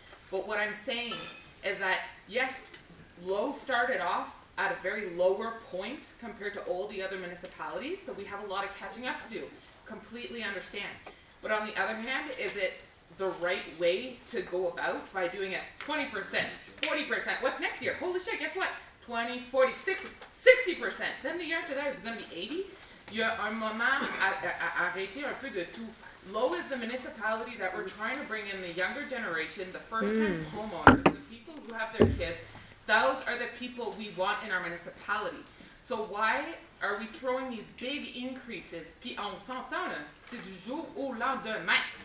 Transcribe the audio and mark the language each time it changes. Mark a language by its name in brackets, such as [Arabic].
[English] But what I'm saying is that, yes, Lowe started off at a very lower point compared to all the other municipalities, so we have a lot of catching up to do. Completely understand. But on the other hand, is it the right way to go about by doing it 20%, 40%? What's next year? Holy shit, guess what? 20, 40, 60%. Then the year after that, it's going to be 80. You're [French] un moment à arrêter un peu de tout. [English] Lowe is the municipality that we're trying to bring in the younger generation, the first-time homeowners, the people who have their kids. Those are the people we want in our municipality. So why are we throwing these big increases? [French] Puis on s'entend, c'est du jour au lendemain.